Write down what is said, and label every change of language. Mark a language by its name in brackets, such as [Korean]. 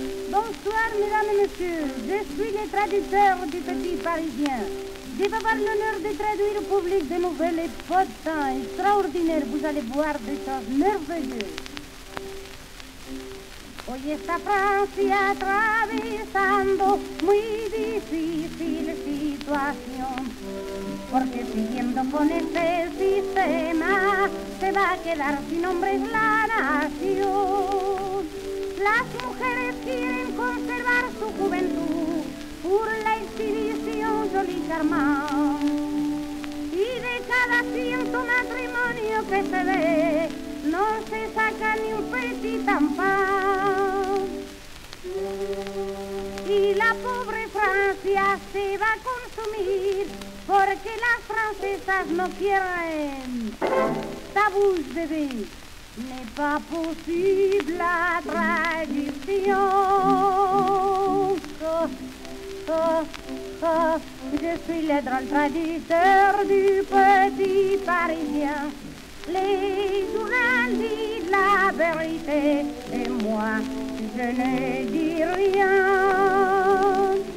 [French] Bonsoir, mesdames et messieurs. Je suis le traducteur du Petit Parisien. Je vais avoir l'honneur de traduire au public des nouvelles potins extraordinaires. Vous allez voir des choses merveilleuses. [Spanish] Hoy está Francia atravesando muy difícil situación, porque siguiendo con este sistema se va a quedar sin hombres la nación. Las mujeres quieren conservar su juventud por la exhibición [French] Jolie Charmant, [Spanish] y de cada 100 matrimonio que se ve no se saca ni un [French] petit enfant. [Spanish] Y la pobre Francia se va a consumir porque las francesas no quieren tabús, bebé. No es posible la tradición. Yo soy el [French] drôle traditeur [Spanish] du Petit Parisien. [French] Les journaux disent la vérité, et moi, je ne dis rien.